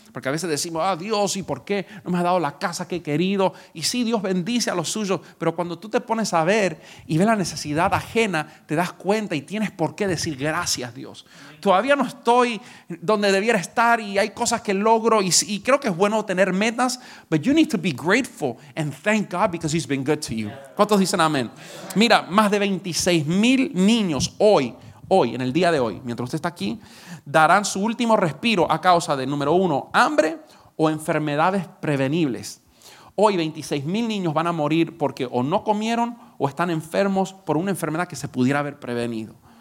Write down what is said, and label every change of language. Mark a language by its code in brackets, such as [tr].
[es] Porque a veces decimos, ah, Dios, ¿y por qué no me has dado la casa que he querido? Y sí, Dios bendice a los suyos. Pero cuando tú te pones a ver y ves la necesidad ajena, te das cuenta y tienes por qué decir gracias, Dios. Todavía no estoy donde debiera estar y hay cosas que logro. Y creo que es bueno tener metas. [en] But you need to be grateful and thank God because he's been good to you. [es] ¿Cuántos dicen amén? Mira, más de 26 mil niños hoy, en el día de hoy, mientras usted está aquí, darán su último respiro a causa de, número uno, hambre o enfermedades prevenibles. Hoy 26 mil niños van a morir porque o no comieron o están enfermos por una enfermedad que se pudiera haber prevenido.